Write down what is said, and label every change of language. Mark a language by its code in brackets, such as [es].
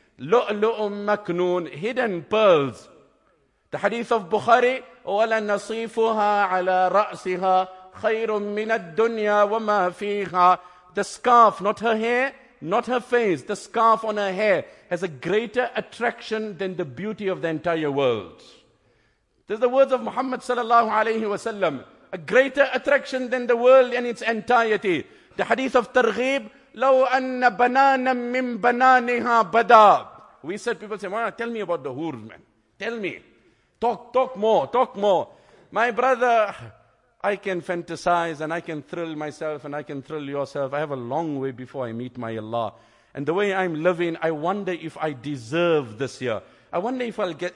[en] Lu'lu'um maknoon, hidden pearls. The hadith of Bukhari, [ar] wala nasifuha ala ra'siha khayrun min ad-dunya wa ma fiha. [en] The scarf, not her hair, not her face, the scarf on her hair has a greater attraction than the beauty of the entire world. There's the words of Muhammad sallallahu alayhi wa sallam. A greater attraction than the world in its entirety. The hadith of Targhib, [ar] لَوْ أَنَّ بَنَانًا مِّن بَنَانِهَا بَدَى. [en] We said, people say, well, tell me about the hoor, man. Tell me. Talk more. My brother, I can fantasize and I can thrill myself and I can thrill yourself. I have a long way before I meet my Allah. And the way I'm living, I wonder if I deserve this year. I wonder if I'll get...